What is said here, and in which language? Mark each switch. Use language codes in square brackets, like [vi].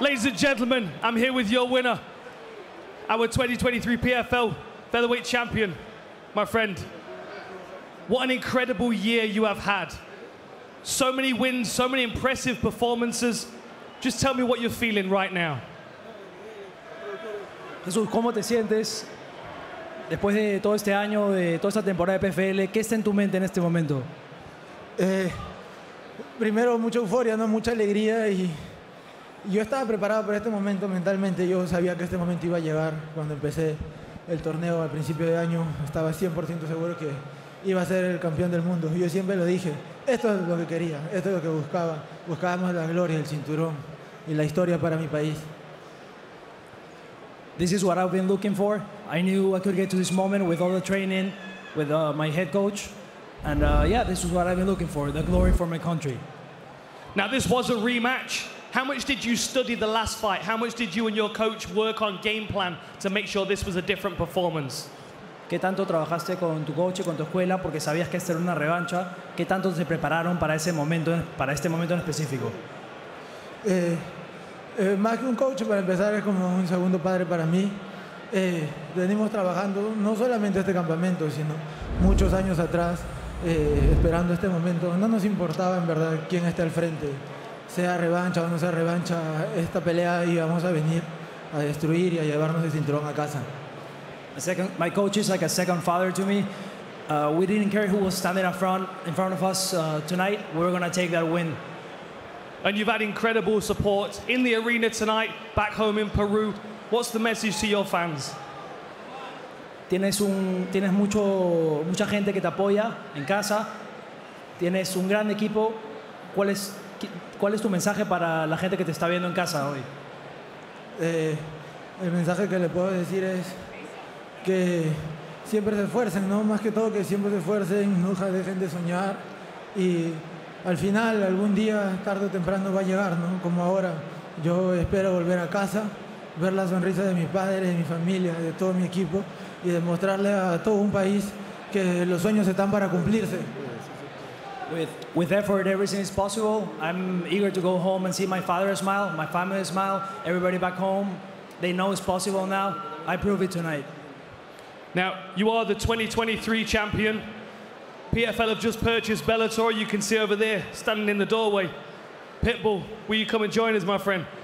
[en] Ladies and gentlemen, I'm here with your winner, our 2023 PFL Featherweight Champion, my friend. What an incredible year you have had. So many wins, so many impressive performances. Just tell me what you're feeling right now. [es] Jesús, ¿cómo te sientes después de todo este año, de toda esta temporada de PFL? ¿Qué está en tu mente en este momento? Primero, mucha euforia, ¿no? Mucha alegría. Y yo estaba preparado para este momento mentalmente. Yo sabía que este momento iba a llegar cuando empecé. el torneo al principio de año, estaba 100% seguro que iba a ser el campeón del mundo. Yo siempre lo dije, esto es lo que quería, esto es lo que buscaba. Buscábamos la gloria, el cinturón y la historia para mi país. [en] This is what I've been looking for. I knew I could get to this moment with all the training, with my head coach. And this is what I've been looking for, the glory for my country. Now, this was a rematch. How much did you study the last fight? How much did you and your coach work on game plan to make sure this was a different performance? [es] ¿Qué tanto trabajaste con tu coach y con tu escuela porque sabías que esta era una revancha? ¿Qué tanto se prepararon para ese momento, para este momento en específico? Más que un coach, para empezar, es como un segundo padre para mí. Venimos trabajando no solamente este campamento, sino muchos años atrás, esperando este momento. No nos importaba en verdad quién esté al frente, sea revancha o no sea revancha, esta pelea íbamos a venir a destruir y a llevarnos el cinturón a casa. [en] My coach is like a second father to me. We didn't care who was standing in front of us tonight. We were going to take that win. And you've had incredible support in the arena tonight, back home in Peru. What's the message to your fans? [es] Tienes mucha gente que te apoya en casa. Tienes un gran equipo. ¿Cuál es tu mensaje para la gente que te está viendo en casa hoy? El mensaje que le puedo decir es que siempre se esfuercen, ¿no? Más que todo que siempre se esfuercen, nunca dejen de soñar. Y al final, algún día, tarde o temprano, va a llegar, ¿no? Como ahora, yo espero volver a casa, ver la sonrisa de mis padres, de mi familia, de todo mi equipo, y demostrarle a todo un país que los sueños están para cumplirse. [en] With effort, everything is possible. I'm eager to go home and see my father smile, my family smile, everybody back home. They know it's possible now. I prove it tonight. Now, you are the 2023 champion. PFL have just purchased Bellator. You can see over there, standing in the doorway. Pitbull, will you come and join us, my friend?